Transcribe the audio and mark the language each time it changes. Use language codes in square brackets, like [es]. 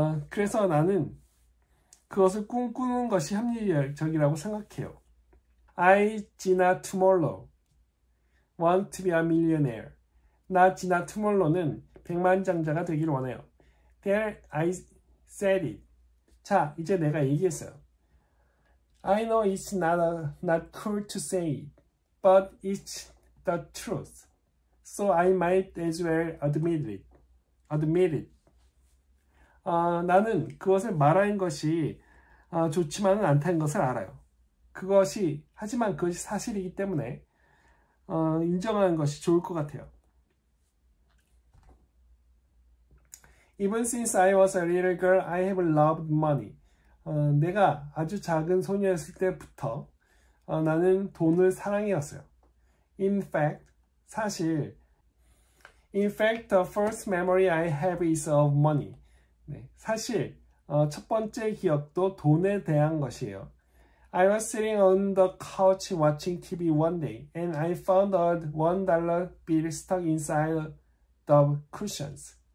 [ko] 그래서 나는 그것을 꿈꾸는 것이 합리적이라고 생각해요. [en] I, Gina Tomorrow, want to be a millionaire. [ko] 나, Gina Tomorrow는 백만장자가 되길 원해요. [en] There, I said it. [ko] 자, 이제 내가 얘기했어요. [en] I know it's not cool to say it, but it's the truth. So I might as well admit it. [ko] 나는 그것을 말하는 것이 좋지만은 않다는 것을 알아요. 하지만 그것이 사실이기 때문에, 인정하는 것이 좋을 것 같아요. [en] Even since I was a little girl, I have loved money. [ko] 내가 아주 작은 소녀였을 때부터, 나는 돈을 사랑해왔어요. [en] In fact, the first memory I have is of money. [ko] 네, 사실, 첫 번째 기억도 돈에 대한 것이에요. [en] I was sitting on the couch watching TV one day, and I found a $1 bill stuck inside the cushions.